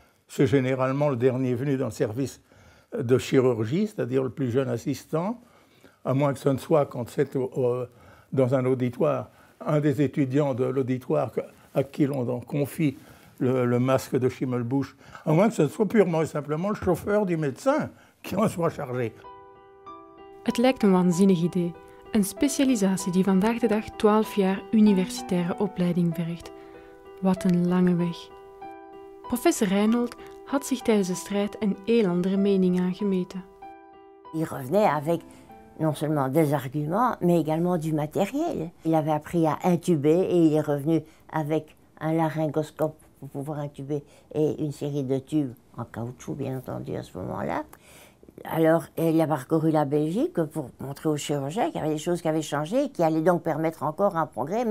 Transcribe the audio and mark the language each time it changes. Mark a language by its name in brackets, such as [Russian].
[French] C'est généralement le dernier venu dans le service de chirurgie, c'est-à-dire le plus jeune assistant, à moins que ce ne soit quand c'est dans un auditoire, un des étudiants de l'auditoire à qui l'on confie le masque de Schimmelbusch, à moins que ce ne soit purement et simplement le chauffeur du médecin qui en soit chargé. [Dutch] Het lijkt een waanzinnige idée, een spécialisatie die vandaag de dag 12 jaar universitaire opleiding vergt. Wat een lange weg. Professeur Reinhold had zich tijdens de strijd een heel andere mening aangemeten. [French] Il revenait avec non seulement des arguments, mais également du matériel. Il avait appris à intuber et il est revenu avec un laryngoscope pour pouvoir intuber et une série de tubes en caoutchouc, bien entendu, à ce moment-là. Alors, il a parcouru la Belgique pour montrer aux chirurgiens qu'il y avait des choses qui avaient changé et qui allaient donc permettre encore un progrès.